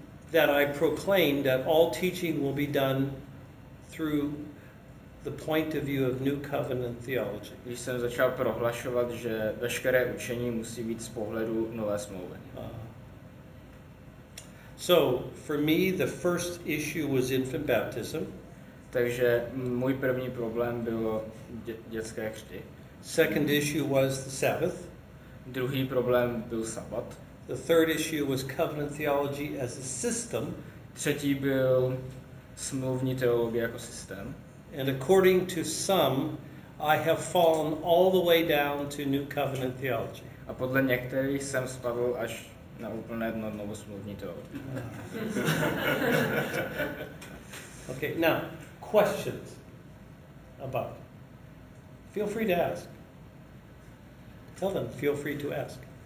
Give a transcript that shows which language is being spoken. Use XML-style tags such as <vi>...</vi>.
<en>That I proclaimed that all teaching will be done through the point of view of New Covenant theology.</en> <cs>Když jsem začal prohlašovat, že veškeré učení musí být z pohledu nové smlouvy.</cs> <en>So, for me, the first issue was infant baptism.</en> <cs>Takže můj první problém bylo dětské křty.</cs> <en>Second issue was the Sabbath.</en> <cs>Druhý problém byl sabat.</cs> <en>The third issue was covenant theology as a system.</en> <cs>Třetí byl smluvní teologie jako systém.</cs> <en>And according to some, I have fallen all the way down to new covenant theology.</en> <cs>A podle některých jsem spadl až na úplné dno novosmluvní teologie.</cs> <en>Okay, now, questions about. Feel free to ask. Tell them, feel free to ask.</en>